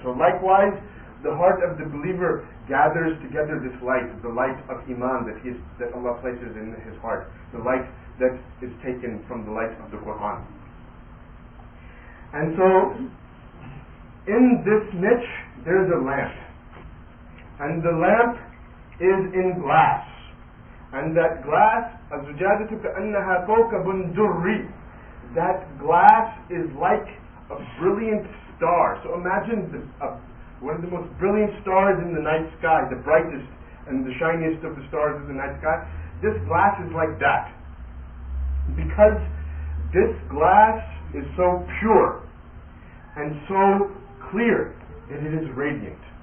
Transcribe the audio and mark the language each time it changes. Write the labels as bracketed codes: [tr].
[en] So likewise, the heart of the believer gathers together this light, the light of Iman that Allah places in his heart, the light that is taken from the light of the Quran. And so, in this niche, there is a lamp. And the lamp is in glass. And that glass, [ar] أَزُجَادَةُ كَأَنَّهَا كَوْكَبٌ دُرِّي. [en] That glass is like a brilliant star. So imagine one of the most brilliant stars in the night sky, the brightest and the shiniest of the stars in the night sky. This glass is like that. Because this glass is so pure and so clear that it is radiant.